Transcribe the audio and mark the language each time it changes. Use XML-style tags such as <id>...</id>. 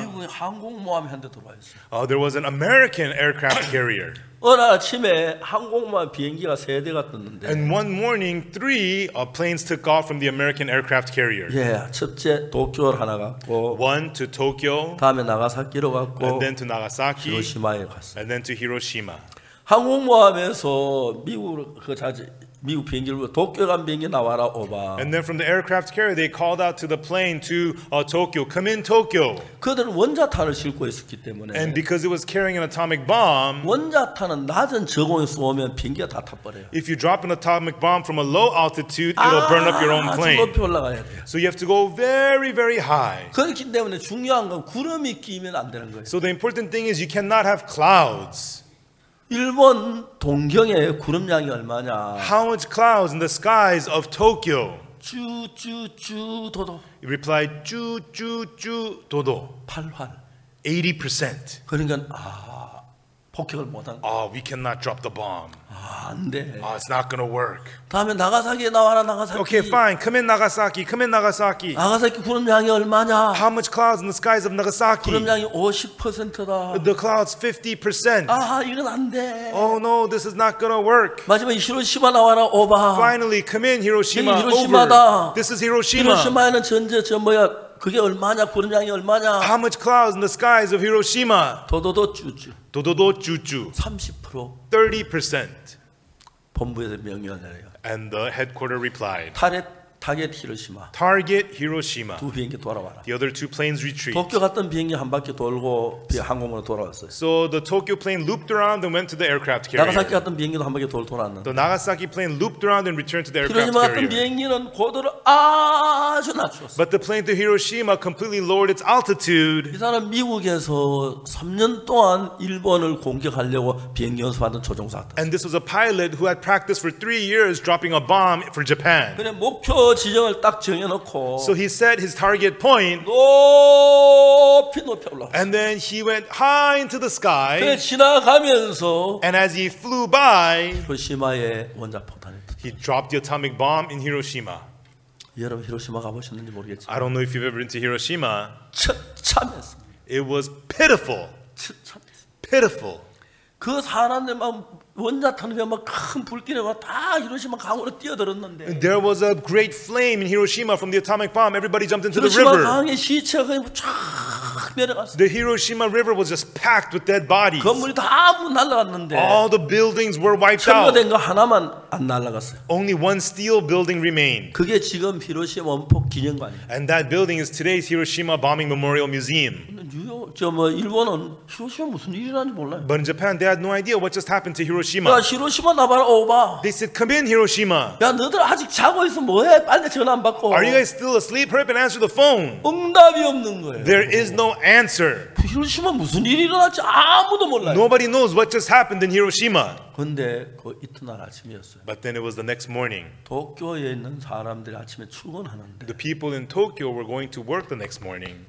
<ko>미국의 항공모함이 한 대 들어왔어요.</ko> <en>There was an American aircraft carrier.</en> <ko>어느 아침에 항공모함 비행기가 세 대가 떴는데.</ko> <en>And one morning, three planes took off from the American aircraft carrier.</en> <ko>예, 첫째 도쿄를 하나 갔고.</ko> <en>One to Tokyo.</en> <ko>다음에 나가사키로 갔고.</ko> <en>And then to Nagasaki.</en> <ko>히로시마에 갔어.</ko> <en>And then to Hiroshima.</en> <ko>항공모함에서 미국 그 자지 미국 비행기로 도쿄 간 비행기 나와라 오바.</ko> <en>And then from the aircraft carrier, they called out to the plane to Tokyo, "Come in Tokyo."</en> <ko>그들은 원자탄을 싣고 있었기 때문에.</ko> <en>And because it was carrying an atomic bomb.</en> <ko>원자탄은 낮은 저공에서 오면 비행기가 다 타버려요.</ko> <en>If you drop an atomic bomb from a low altitude, it'll burn up your own plane.</en> <ko>높이 올라가야 돼.</ko> <en>So you have to go very, very high.</en> <ko>그렇기 때문에 중요한 건 구름이 끼면 안 되는 거예요.</ko> <en>So the important thing is you cannot have clouds.</en> <ko>일본 동경의 구름 양이 얼마냐?</ko> <en>How much clouds in the skies of Tokyo?</en> <ko>쭈쭈쭈 도도.</ko> <en>He replied, 쭈쭈쭈 도도.</en> <ko>8활.</ko> <en>80%.</en> <ko>그러니까 아 폭격을 못한.</ko> <en>We cannot drop the bomb.</en> <ko>안 돼.</ko> <en>It's not gonna work.</en> <ko>다음에 나가사키에 나와라 나가사키.</ko> <en>Okay, fine. Come in Nagasaki. Come in Nagasaki.</en> <ko>나가사키 구름 양이 얼마냐?</ko> <en>How much clouds in the skies of Nagasaki?</en> <ko>구름 양이 50%다.</ko> <en>The clouds 50%.</en> <ko>아, 이건 안 돼.</ko> <en>Oh no, this is not gonna work.</en> <ko>마지막 히로시마 나와라 오바.</ko> <en>Finally, come in Hiroshima.</en> <ko>히로시마다.</ko> <en>This is Hiroshima.</en> <ko>히로시마에는 전제 저 뭐야? 그게 얼마냐? 구름 양이 얼마냐?</ko> <en>How much clouds in the skies of Hiroshima?</en> <ko>도도도 쭈쭈. 도도도 쭈쭈. 30%. 30%. 본부에서 명령하네요.</ko> <en>And the headquarters replied.</en> <ko>타겟 히로시마.</ko> <en>Target Hiroshima.</en> <ko>두 비행기 돌아와라.</ko> <en>The other two planes retreat.</en> <ko>도쿄 갔던 비행기 한 바퀴 돌고 항공으로 돌아왔어요.</ko> <en>So the Tokyo plane looped around and went to the aircraft carrier.</en> <ko>나가사키 갔던 비행기도 한 바퀴 돌아왔는데.</ko> <en>The Nagasaki plane looped around and returned to the aircraft carrier.</en> <ko>히로시마 갔던 비행기는 고도를 아주 낮췄어.</ko> <en>But the plane to Hiroshima completely lowered its altitude.</en> <ko>이 사람 미국에서 3년 동안 일본을 공격하려고 비행기 연습하던 조종사.</ko> <en>And this was a pilot who had practiced for 3 years dropping a bomb for Japan.</en> <ko>그래 목표 지정을 딱 정해놓고.</ko> <en>So he set his target point.</en> <ko>높이 높이 올라.</ko> <en>And then he went high into the sky.</en> <ko>그래 지나가면서.</ko> <en>And as he flew by,</en> <ko>히로시마에 원자폭탄을.</ko> <en>He dropped the atomic bomb in Hiroshima.</en> <ko>여러분 히로시마 가보셨는지 모르겠지.</ko> <en>I don't know if you've ever been to Hiroshima.</en> <ko>처참했어.</ko> <en>It was pitiful.</en> <ko>처참했어.</ko> <en>Pitiful.</en> <ko>그 사람들 막 원자탄에 막 큰 불길에 다 히로시마 강으로 뛰어들었는데.</ko> <en>There was a great flame in Hiroshima from the atomic bomb. Everybody jumped into the river.</en> <ko>히로시마 강의 시체가 쫙 내려갔어.</ko> <en>The Hiroshima River was just packed with dead bodies.</en> <ko>건물이 다 날아갔는데.</ko> <en>All the buildings were wiped out.</en> <ko>철거된 거 하나만 안 날아갔어요.</ko> <en>Only one steel building remained.</en> <ko>그게 지금 히로시마 원폭 기념관이에요.</ko> <en>And that building is today's Hiroshima Bombing Memorial Museum.</en> <ko>저 뭐 일본은 히로시마 무슨 일이 일어난지 몰라요.</ko> <en>But in Japan, they had no idea what just happened to Hiroshima.</en> <ko>야 히로시마 나봐라 오바.</ko> <en>They said, "Come in, Hiroshima."</en> <ko>야 너들 아직 자고 있어 뭐해? 빨리 전화 안 받고.</ko> <en>Are you guys still asleep? Hurry up and answer the phone.</en> <ko>응답이 없는 거예요.</ko> <en>There is no answer.</en> <ko>히로시마 무슨 일이 일어났지 아무도 몰라요.</ko> <en>Nobody knows what just happened in Hiroshima.</en> <ko>근데 그 이튿날 아침이었어요.</ko> <en>But then it was the next morning.</en> <ko>도쿄에 있는 사람들이 아침에 출근하는데.</ko> <en>The people in Tokyo were going to work the next morning.</en>